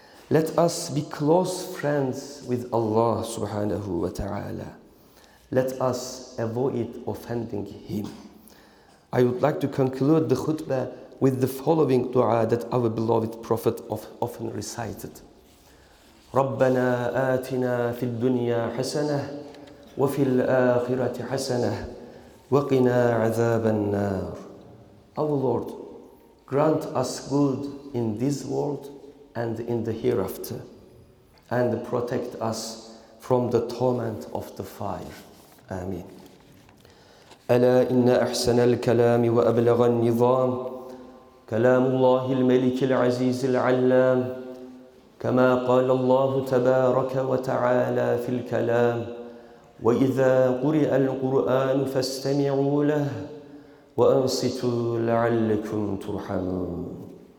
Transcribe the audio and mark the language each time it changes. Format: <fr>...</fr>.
<en>Let us be close friends with Allah subhanahu wa ta'ala. Let us avoid offending Him. I would like to conclude the khutbah with the following dua that our beloved Prophet often recited.</en> <ar>ربنا آتنا في الدنيا حسنة وفي الآخرة حسنة وقنا عذاب النار.</ar> <en>Our Lord, grant us good in this world and in the hereafter, and protect us from the torment of the fire. Amen.</en> <ar>ألا إن أحسن الكلام وأبلغ النظام كلام الله الملك العزيز العلام كما قال الله تبارك وتعالى في الكلام وإذا قرئ القرآن فاستمعوا له وأنصتوا لعلكم ترحمون.</ar>